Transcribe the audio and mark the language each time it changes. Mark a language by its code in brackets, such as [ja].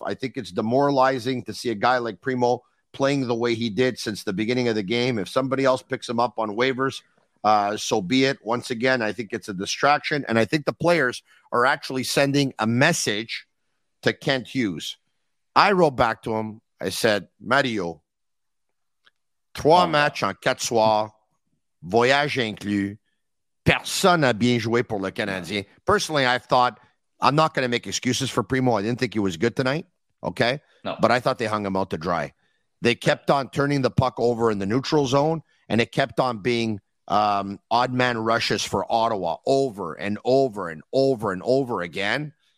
[en] I think it's demoralizing to see a guy like Primo playing the way he did since the beginning of the game. If somebody else picks him up on waivers, so be it. Once again, I think it's a distraction. And I think the players are actually sending a message to Kent Hughes. I wrote back to him. I said, [fr] Mario, trois matchs en quatre soirs, voyage inclus, personne n'a bien joué pour le Canadien. [en] Personally, I thought, I'm not going to make excuses for Primo. I didn't think he was good tonight. Okay. No. But I thought they hung him out to dry. They kept on turning the puck over in the neutral zone, and it kept on being odd man rushes for Ottawa over and over and over and over again.